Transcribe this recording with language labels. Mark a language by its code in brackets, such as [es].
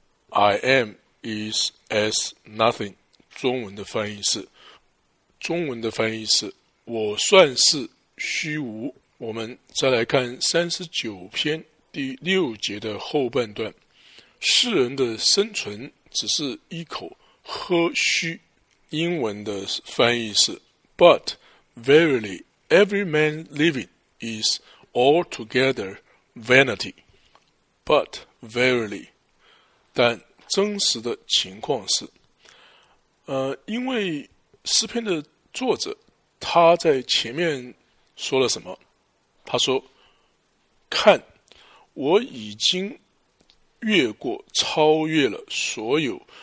[en] I am is as nothing. [zh] 中文的翻译是，我算是虚无。我们再来看39篇第6节的后半段，世人的生存只是一口喝虚。 [en] 英文的翻译是 But verily every man living is altogether vanity. But verily， [zh] 但真实的情况是，因为诗篇的作者他在前面说了什么，他说看我已经越过超越了所有